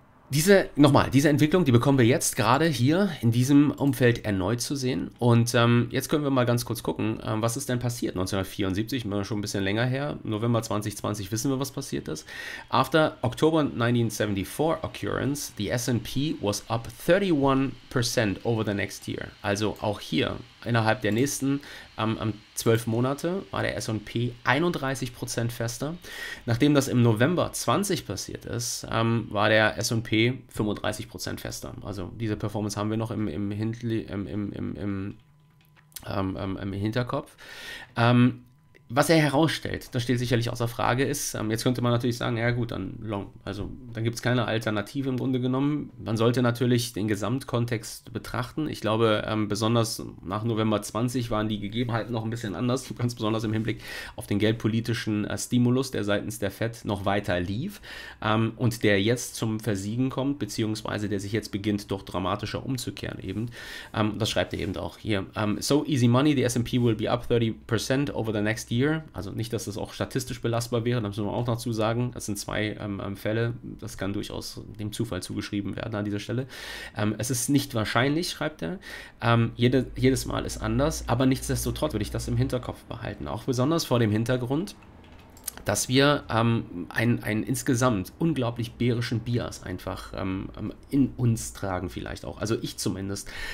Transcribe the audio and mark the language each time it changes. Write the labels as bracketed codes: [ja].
[de] Diese Entwicklung, die bekommen wir jetzt gerade hier in diesem Umfeld erneut zu sehen. Und jetzt können wir mal ganz kurz gucken, was ist denn passiert? 1974, schon ein bisschen länger her, November 2020 wissen wir, was passiert ist. [en] After October 1974 occurrence, the S&P was up 31% over the next year. [de] Also auch hier innerhalb der nächsten 12 Monate war der S&P 31% fester. Nachdem das im November 20 passiert ist, war der S&P 35% fester. Also diese Performance haben wir noch im Hinterkopf. Was er herausstellt, das steht sicherlich außer Frage, ist, jetzt könnte man natürlich sagen, ja gut, dann long. Also dann gibt es keine Alternative im Grunde genommen. Man sollte natürlich den Gesamtkontext betrachten. Ich glaube, besonders nach November 20 waren die Gegebenheiten noch ein bisschen anders, ganz besonders im Hinblick auf den geldpolitischen Stimulus, der seitens der Fed noch weiter lief und der jetzt zum Versiegen kommt, beziehungsweise der sich jetzt beginnt, doch dramatischer umzukehren eben. Das schreibt er eben auch hier. [en] So easy money, the S&P will be up 30% over the next year. [de] Also nicht, dass das auch statistisch belastbar wäre, da müssen wir auch noch zu sagen. Das sind zwei Fälle, das kann durchaus dem Zufall zugeschrieben werden an dieser Stelle. Es ist nicht wahrscheinlich, schreibt er. Jedes Mal ist anders, aber nichtsdestotrotz würde ich das im Hinterkopf behalten. Auch besonders vor dem Hintergrund, dass wir einen insgesamt unglaublich bärischen Bias einfach in uns tragen vielleicht auch. Also ich zumindest.